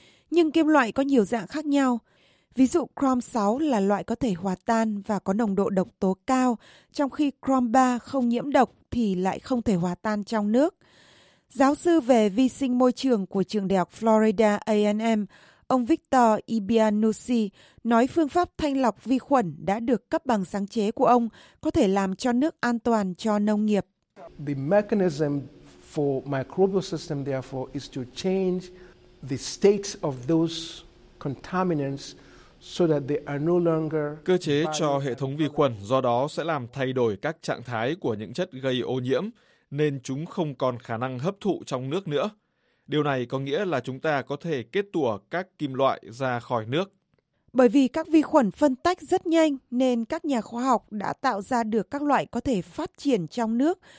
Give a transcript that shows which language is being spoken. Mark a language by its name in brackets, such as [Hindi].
[Vietnamese] Nhưng kim loại có nhiều dạng khác nhau. Ví dụ chrome 6 là loại có thể hòa tan và có nồng độ độc tố cao, trong khi chrome 3 không nhiễm độc thì lại không thể hòa tan trong nước. Giáo sư về vi sinh môi trường của trường đại học Florida A&M, ông Victor Ibianucci, nói phương pháp thanh lọc vi khuẩn đã được cấp bằng sáng chế của ông có thể làm cho nước an toàn cho nông nghiệp. [English] The mechanism for microbial system therefore is to change the states of those contaminants so that they are no longer. [Vietnamese] Cơ chế cho hệ thống vi khuẩn do đó sẽ làm thay đổi các trạng thái của những chất gây ô nhiễm, nên chúng không còn khả năng hấp thụ trong nước nữa. Điều này có nghĩa là chúng ta có thể kết tủa các kim loại ra khỏi nước. Bởi vì các vi khuẩn phân tách rất nhanh, nên các nhà khoa học đã tạo ra được các loại có thể phát triển trong nước.